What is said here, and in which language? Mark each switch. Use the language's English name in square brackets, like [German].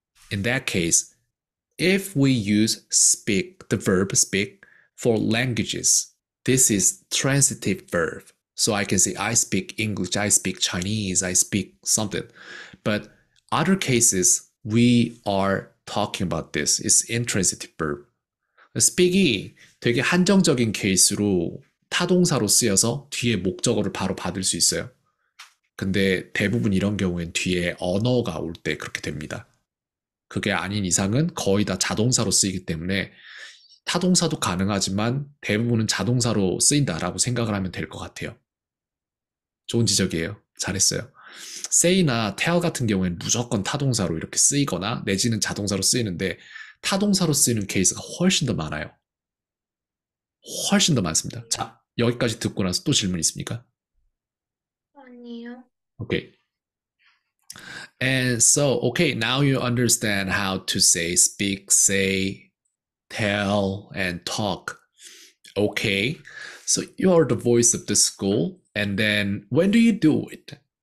[English] In that case, if we use speak, the verb speak, for languages, this is transitive verb. So I can say, I speak English, I speak Chinese, I speak something. But other cases, we are talking about this. It's intransitive verb. [Korean] Speak이 되게 한정적인 케이스로 타동사로 쓰여서 뒤에 목적어를 바로 받을 수 있어요. 근데 대부분 이런 경우엔 뒤에 언어가 올 때 그렇게 됩니다. 그게 아닌 이상은 거의 다 자동사로 쓰이기 때문에 타동사도 가능하지만 대부분은 자동사로 쓰인다라고 생각을 하면 될 것 같아요. 좋은 지적이에요. 잘했어요. say나 tell 같은 경우에는 무조건 타동사로 이렇게 쓰이거나 내지는 자동사로 쓰이는데 타동사로 쓰이는 케이스가 훨씬 더 많아요. 훨씬 더 많습니다. 자, 여기까지 듣고 나서 또 질문 있습니까? 아니요. [English] Okay. And so, okay, now you understand how to say speak, say, tell, and talk. Okay, so you are the voice of the school, and then when do you do it?